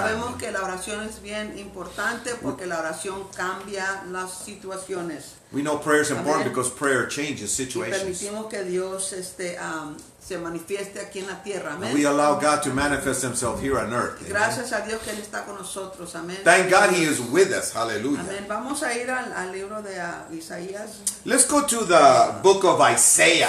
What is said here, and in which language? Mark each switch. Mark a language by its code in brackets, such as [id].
[es] Sabemos que la oración es bien importante porque la oración cambia las situaciones. [en] We know prayer is important because prayer changes situations. [es] Y permitimos que Dios se manifieste aquí en la tierra. Amén. [en] We allow God to manifest himself here on earth. Amen. [es] Gracias a Dios que Él está con nosotros. Amén. [en] Thank God he is with us. Hallelujah. [es] Amén. Vamos a ir al libro de Isaías. [en] Let's go to the book of Isaiah.